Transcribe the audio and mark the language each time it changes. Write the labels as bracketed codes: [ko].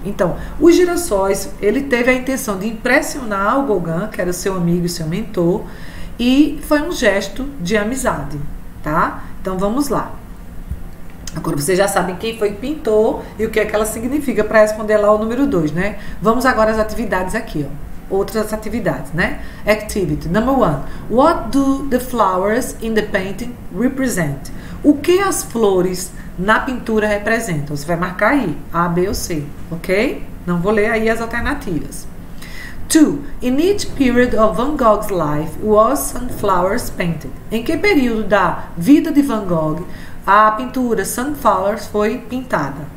[pt] Então, os girassóis, ele teve a intenção de impressionar o Gauguin, que era seu amigo e seu mentor, e foi um gesto de amizade, tá? Então vamos lá. Agora vocês já sabem quem foi que pintou e o que é que ela significa para responder lá o número 2, né? Vamos agora às atividades aqui, ó. Outras atividades, né? [en] Activity number one. What do the flowers in the painting represent? [pt] O que as flores na pintura representam? Você vai marcar aí, A, B ou C, ok? Não vou ler aí as alternativas. 2. [en] In each period of Van Gogh's life was sunflowers painted. [pt] Em que período da vida de Van Gogh a pintura Sunflowers foi pintada?